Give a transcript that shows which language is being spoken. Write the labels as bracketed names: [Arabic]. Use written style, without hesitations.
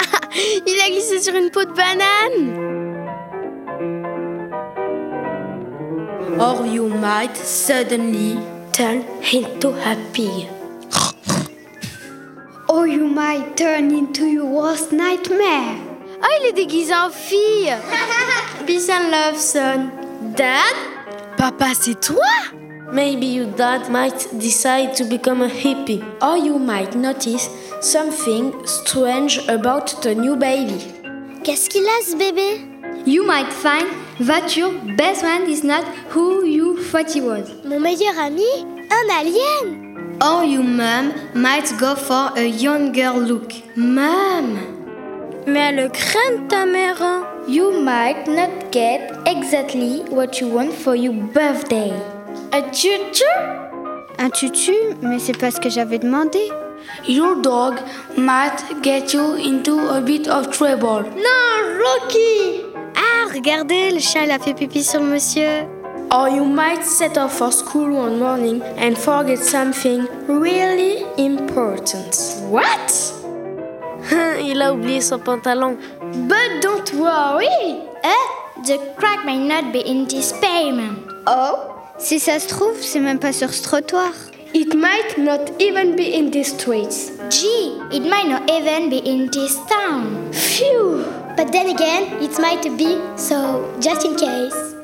[French] Il a glissé sur une peau de banane. [English] Or you might suddenly turn into a pig. Or you might turn into your worst nightmare. [French] Ah, il est déguisé en fille. [English] Peace and love, son. Dad? [French] Papa, c'est toi? [English] Maybe your dad might decide to become a hippie. Or you might notice something strange about the new baby. [French] Qu'est-ce qu'il a, ce bébé? [English] You might find that your best friend is not who you thought he was. [French] Mon meilleur ami, un alien. [English] Or your mom might go for a younger look. [French] Mom. Mais elle craint ta mère. Hein? [English] You might not get exactly what you want for your birthday. A tutu? [French] Un tutu? Mais c'est pas ce que j'avais demandé. [English] Your dog might get you into a bit of trouble. [French] Non, Rocky! Ah, regardez, le chien, il a fait pipi sur le monsieur. [English] Or you might set off for school one morning and forget something really important. What? [French] Il a oublié son pantalon. [English] But don't worry. The crack may not be in this pavement. Oh? [French] Si ça se trouve, c'est même pas sur ce trottoir. [English] It might not even be in these streets. Gee, it might not even be in this town. Phew! But then again, it might be, so just in case.